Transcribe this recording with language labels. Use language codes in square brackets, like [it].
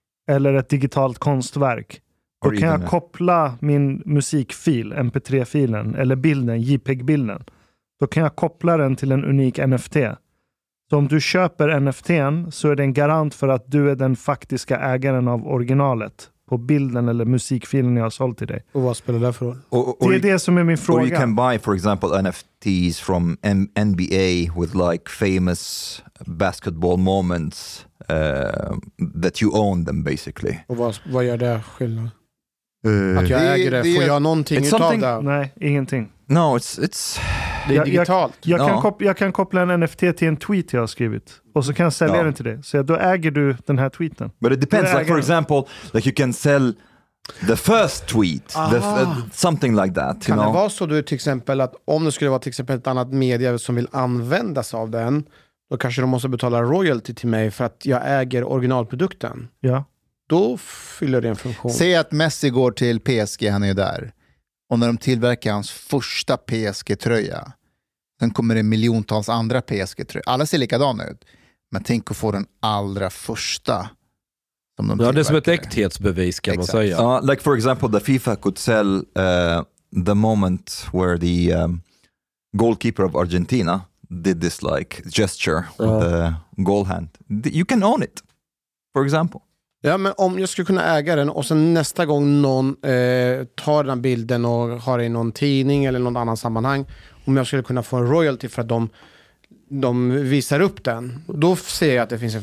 [sv] Eller ett digitalt konstverk. Då kan jag koppla min musikfil, MP3-filen, eller bilden, JPEG-bilden. Då kan jag koppla den till en unik NFT. Så om du köper NFT:n så är det en garant för att du är den faktiska ägaren av originalet. På bilden eller musikfilen jag har sålt till dig. Och vad spelar det för roll? Det är det som är min fråga. [en] Or you can buy, for example, NFTs from NBA with like famous basketball moments that you own them, basically. [sv] Och vad gör det skillnad? Att jag äger det, får jag någonting utav det? Nej, ingenting. [en] No, it's [sv] det är digitalt. Jag kan koppla en NFT till en tweet jag har skrivit. Och så kan jag sälja den till dig. Så då äger du den här tweeten. [en] But it depends. Like, for example, like you can sell the first tweet. Something like that. [sv] Kan [en] you [sv] det vara så du till exempel att om det skulle vara till exempel ett annat media som vill användas av den, då kanske de måste betala royalty till mig för att jag äger originalprodukten. Ja. Då fyller det en funktion. Säg att Messi går till PSG, han är ju där. Och när de tillverkar hans första PSG-tröja, sen kommer det miljontals andra PSG-tröjor. Alla ser likadana ut. Men tänk att få den allra första som de tillverkar. Det är som ett äkthetsbevis, kan man säga. [en] Like for example, the FIFA could sell the moment where the goalkeeper of Argentina did this like gesture with the goal hand. You can own it, for example. [sv] Ja, men om jag skulle kunna äga den och sen nästa gång någon tar den bilden och har det i någon tidning eller någon annan sammanhang, om jag skulle kunna få en royalty för att de visar upp den, då ser jag att det finns en